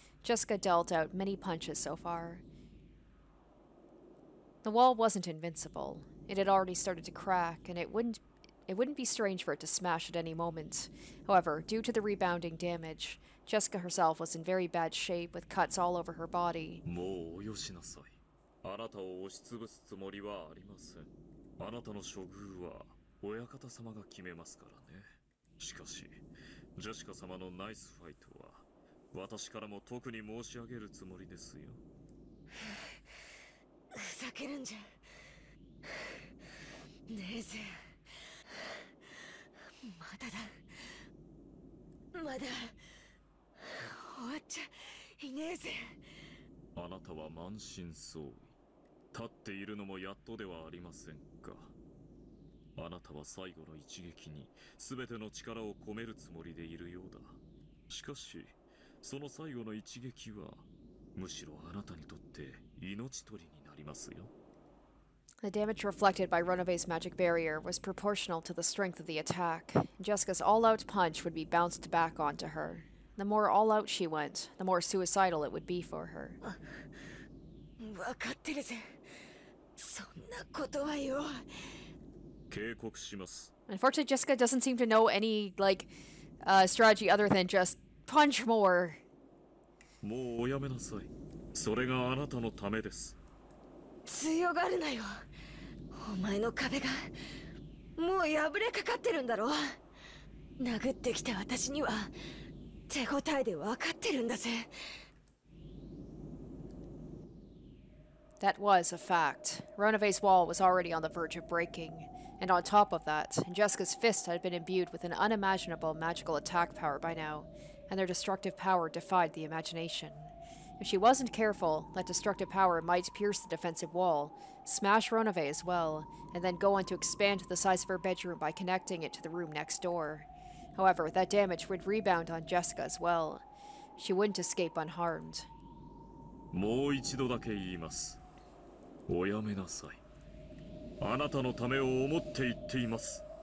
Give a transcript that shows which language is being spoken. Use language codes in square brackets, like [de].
[en] Jessica dealt out many punches so far. The wall wasn't invincible. It had already started to crack, and it wouldn't be strange for it to smash at any moment. However, due to the rebounding damage, Jessica herself was in very bad shape with cuts all over her body. [ja] もうおよしなさい。あなたを押しつぶすつもりはありません。あなたの処遇は親方様が決めますからね。しかし、ジェシカ様のナイスファイトは私からも特に申し上げるつもりですよ。ふざけるんじゃ、ネーゼン。まだだ、まだ終わっちゃいねえぜ。あなたは満身創痍、立っているのもやっとではありませんか。あなたは最後の一撃に全ての力を込めるつもりでいるようだ。しかしその最後の一撃はむしろあなたにとって命取りになりますよ。 [en] The damage reflected by Ronave's magic barrier was proportional to the strength of the attack. Jessica's all-out punch would be bounced back onto her. The more all-out she went, the more suicidal it would be for her. [ja] わかってるぜ。そんなことはよ。警告します。 [en] Unfortunately, Jessica doesn't seem to know any, like, strategy other than just punch more. [ja] もうおやめなさい。それがあなたのためです。強がるなよ。お前の壁がもう破れかかってるんだろう。殴ってきた私には手応えで分かってるんだぜ。 [en] That was a fact. Ronave's wall was already on the verge of breaking. And on top of that, Jessica's fist had been imbued with an unimaginable magical attack power by now. And their destructive power defied the imagination. If she wasn't careful, that destructive power might pierce the defensive wall, smash Ronave as well, and then go on to expand the size of her bedroom by connecting it to the room next door. However, that damage would rebound on Jessica as well. She wouldn't escape unharmed. [ja] もう一度だけ言います。おやめなさい。あなたのためを思って言っています。